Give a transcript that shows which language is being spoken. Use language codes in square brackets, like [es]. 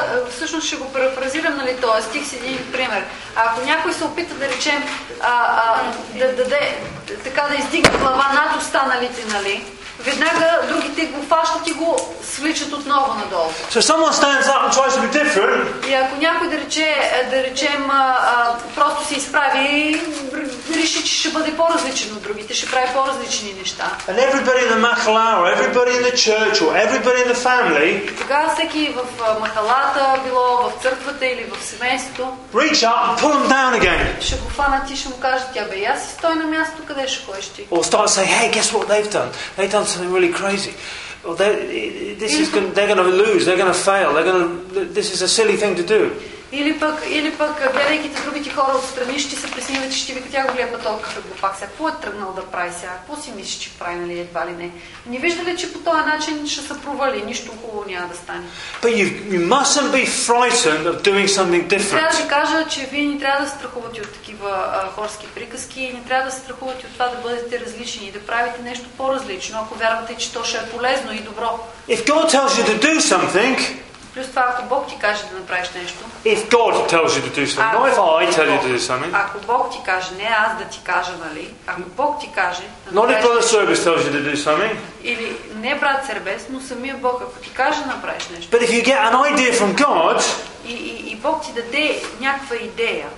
[bg] Всъщност ще го парафразирам, нали, този стих с един пример. Ако някой се опита да речем да даде така да издигне глава над останалите, нали, веднага другите го фащат и го свличат отново надолу. [en] So someone stands up and tries to be different. [bg] И ако някой да речем просто се изправи и реши, че ще бъде по-различен от другите, ще прави по-различни неща. [en] And everybody in the махала, or everybody in the church, or everybody in the family. [bg] Тогава всеки в махалата, било в църквата или в семейството. [en] Reach up and pull them down again. [bg] Ще го фанат и ще му кажат, абе, аз си стой на място, къде ще ходиш ти. [en] Or start saying, hey, guess what they've done? Done something really crazy. Well, they're going to lose. They're going to fail. This is a silly thing to do. [bg] Или пък гледайки другите хора отстрани, ще се присмиват, че ще тя го гледа толкова глупак. Сега, какво е тръгнал да прави сега? Какво си мислиш, че прави, нали, едва ли не? Не вижда ли, че по този начин ще се провали? Нищо хубаво няма да стане. [en] But you mustn't be frightened of doing something different. [bg] Трябва да кажа, че вие не трябва да се страхувате от такива хорски приказки и не трябва да се страхувате от това да бъдете различни и да правите нещо по-различно, ако вярвате, че то ще е полезно и добро. [en] If God tells you to do something, [bg] плюс това, ако Бог ти каже да направиш нещо. [en] If God tells you to do something, not if I tell you to do something. [bg] Ако Бог ти каже, не аз да ти кажа, нали? Ако Бог ти каже, [en] not if Brother Serbis tells you to do something. [bg] Или не брат Сербес, но самия Бог, ако ти каже да направиш нещо. [en] But if you get an idea from God, [bg] и Бог ти даде някаква идея.